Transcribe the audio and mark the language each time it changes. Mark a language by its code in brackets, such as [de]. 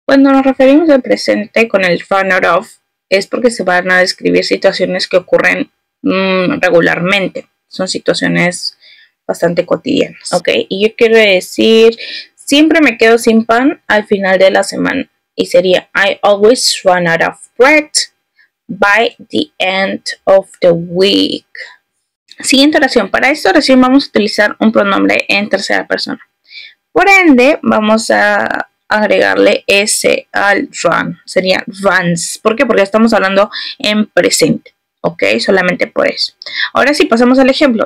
[es] Cuando nos referimos al presente con el run out of, es porque se van a describir situaciones que ocurren regularmente. Son situaciones bastante cotidianas. ¿Ok? Y yo quiero decir, siempre me quedo sin pan al final de la semana. Y sería, [en] I always run out of bread by the end of the week. [es] Siguiente oración. Para esta oración vamos a utilizar un pronombre en tercera persona. Por ende, vamos a agregarle S al run. Sería runs. ¿Por qué? Porque estamos hablando en presente. ¿Ok? Solamente por eso. Ahora sí, pasamos al ejemplo.